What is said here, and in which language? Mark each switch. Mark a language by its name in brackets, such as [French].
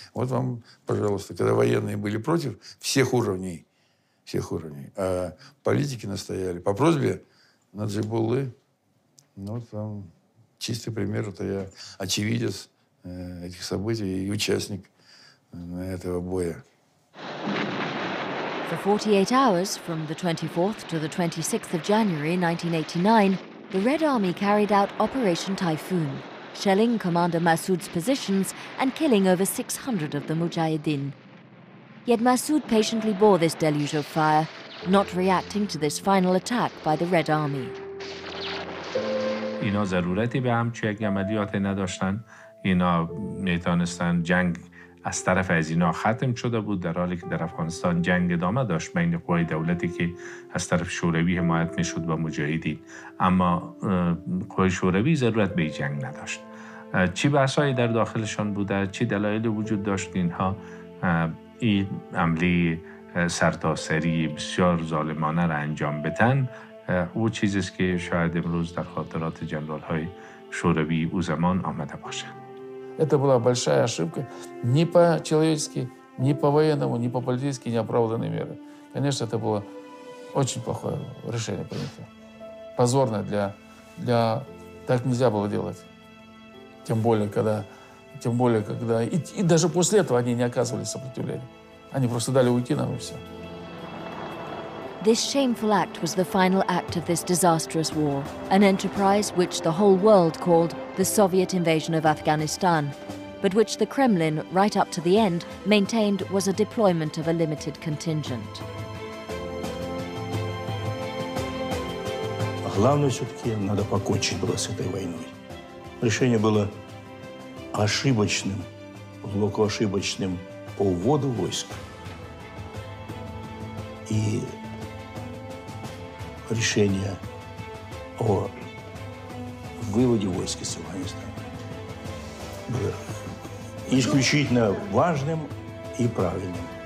[Russian] Вот вам, пожалуйста, когда военные были против всех уровней, а политики настояли по просьбе Наджибуллы, ну вот вам чистый пример, это я очевидец этих событий и участник этого боя. [English] For 48 hours from the 24th to the 26th of January 1989, the Red Army carried out Operation Typhoon. Shelling Commander Massoud's positions and killing over 600 of the Mujahideen. Yet Massoud patiently bore this deluge of fire, not reacting to this final attack by the Red Army. [Persian] اینا ضرورتی به همچین عملیاتی نداشتن. اینا میتونستن جنگ از طرف از اینا ختم شده بود در حالی که در افغانستان جنگ ادامه داشت بین قوای دولتی که از طرف شوروی حمایت میشد و مجاهدین اما قوای شوروی ضرورت به جنگ نداشت چی بحثایی در داخلشان بوده چی دلایلی وجود داشت که اینها این عملی سرتاسری بسیار ظالمانه را انجام بدن او چیزیست که شاید امروز در خاطرات جنرال های شوروی او زمان آمده باشد [Russian] Это была большая ошибка, ни по человечески, ни по военному, ни по политически неоправданные меры. Конечно, это было очень плохое решение принято. Позорное для Так нельзя было делать. Тем более, когда... И даже после этого они не оказывали сопротивления. Они просто дали уйти нам, и все. [English] This shameful act was the final act of this disastrous war, an enterprise which the whole world called the Soviet invasion of Afghanistan, but which the Kremlin, right up to the end, maintained was a deployment of a limited contingent. [Russian] Главное все-таки надо покончить было с этой войной. Решение было ошибочным, глубоко ошибочным по уводу войск. И решение о выводе войск из Афганистана было исключительно важным и правильным.